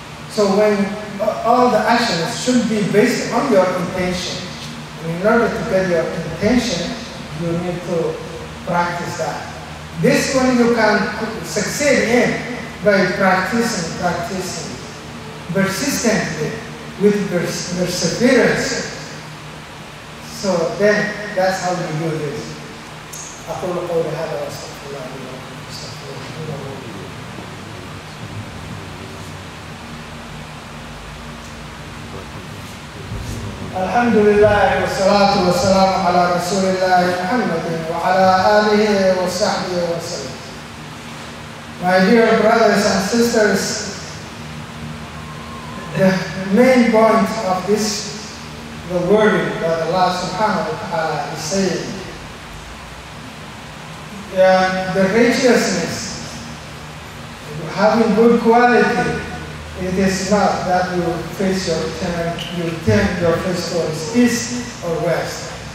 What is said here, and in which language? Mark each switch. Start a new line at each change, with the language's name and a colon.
English: So when all the actions should be based on your intention, and in order to get your intention, you need to practice that. This one you can succeed in by practicing, persistently, with perseverance. So then, that's how you do this.
Arabic: أقول قول هذا وأستغفر الله لي ولكم وأستغفر الله لي ولكم. الحمد لله والصلاة والسلام على رسول الله محمد وعلى آله وصحبه وسلم.
English: My dear brothers and sisters, the main point of this, the wording that Allah subhanahu wa ta'ala is saying, the righteousness, having good quality, it is not that you face your turn, you turn your face towards east or west.